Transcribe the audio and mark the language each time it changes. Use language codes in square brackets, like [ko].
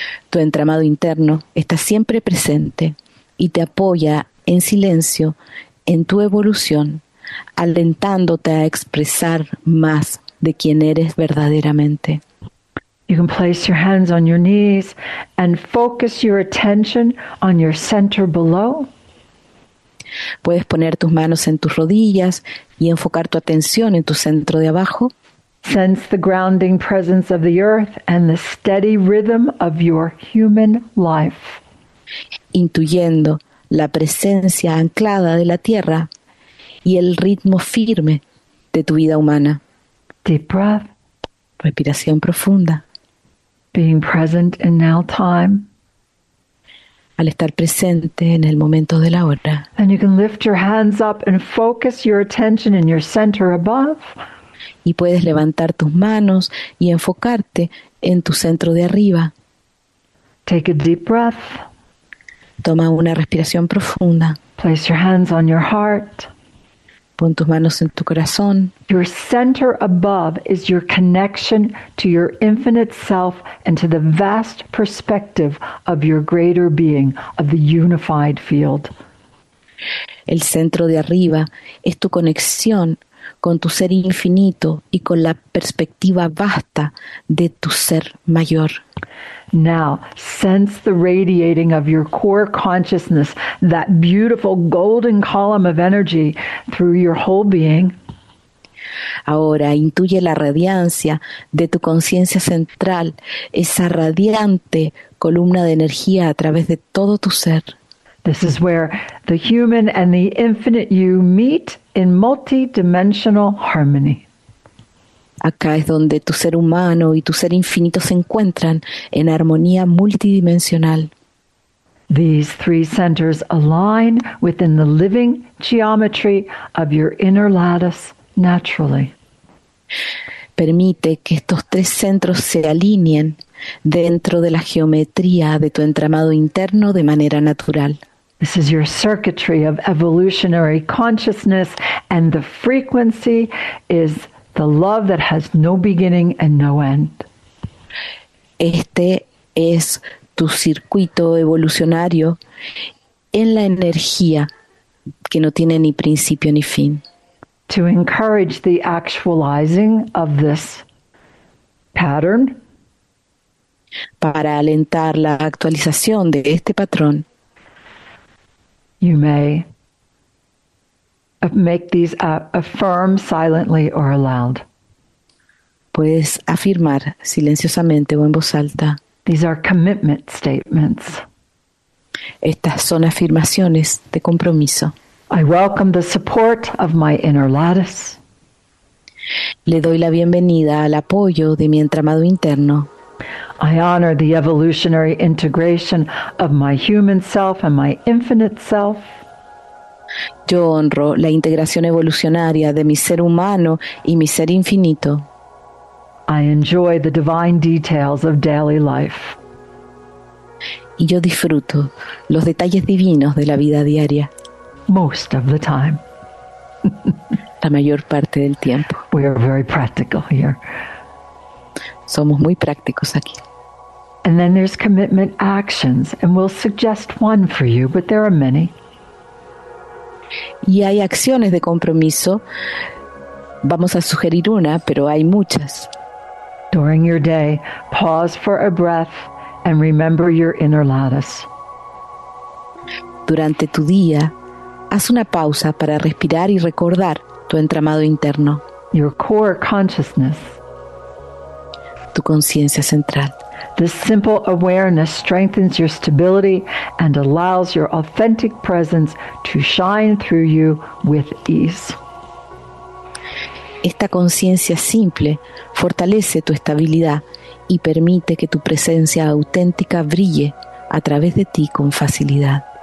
[es] Tu entramado interno está siempre presente y te apoya en silencio en tu evolución, alentándote a expresar más de quien eres verdaderamente. [en] You can place your hands on your knees and focus your attention on your center below. [es] Puedes poner tus manos en tus rodillas y enfocar tu atención en tu centro de abajo. [en] Sense the grounding presence of the earth and the steady rhythm of your human life. [es] Intuyendo la presencia anclada de la tierra y el ritmo firme de tu vida humana. [en] Deep breath. [es] Respiración profunda. [en] Being present in now time. [es] Al estar presente en el momento de la hora. [en] And you can lift your hands up and focus your attention in your center above. [es] Y puedes levantar tus manos y enfocarte en tu centro de arriba. [en] Take a deep breath. [es] Toma una respiración profunda. [en] Place your hands on your heart. [es] Pon tus manos en tu corazón. [en] Your center above is your connection to your infinite self and to the vast perspective of your greater being, of the unified field. [es] El centro de arriba es tu conexión con tu ser infinito y con la perspectiva vasta de tu ser mayor. [en] Now, sense the radiating of your core consciousness, that beautiful golden column of energy through your whole being. [es] Ahora, intuye la radiancia de tu conciencia central, esa radiante columna de energía a través de todo tu ser. [en] This is where the human and the infinite you meet in multidimensional harmony. [es] Acá es donde tu ser humano y tu ser infinito se encuentran en armonía multidimensional. [en] These three centers align within the living geometry of your inner lattice naturally. [es] Permite que estos tres centros se alineen dentro de la geometría de tu entramado interno de manera natural. [en] This is your circuitry of evolutionary consciousness, and the frequency is the love that has no beginning and no end. [es] Este es tu circuito evolucionario en la energía que no tiene ni principio ni fin. [en] To encourage the actualizing of this pattern. [es] Para alentar la actualización de este patrón. [en] You may make these affirm silently or aloud. [es] Puedes afirmar silenciosamente o en voz alta. [en] These are commitment statements. [es] Estas son afirmaciones de compromiso. [en] I welcome the support of my inner lattice. [es] Le doy la bienvenida al apoyo de mi entramado interno. [en] I honor the evolutionary integration of my human self and my infinite self. [es] Yo honro la integración evolucionaria de mi ser humano y mi ser infinito. [en] I enjoy the divine details of daily life. [es] Y yo disfruto los detalles divinos de la vida diaria. [en] Most of the time. [es] La mayor parte del tiempo. [en] We are very practical here. [es] Somos muy prácticos aquí. [en] And then there's commitment actions, and we'll suggest one for you, but there are many. [es] Y hay acciones de compromiso. Vamos a sugerir una, pero hay muchas. [en] During your day, pause for a breath and remember your inner lattice. [es] Durante tu día, haz una pausa para respirar y recordar tu entramado interno. [en] Your core consciousness. [es] Tu conciencia central. [en] This simple awareness strengthens your stability and allows your authentic presence to shine through you with ease. [es] Esta conciencia simple fortalece tu estabilidad y permite que tu presencia auténtica brille a través de ti con facilidad.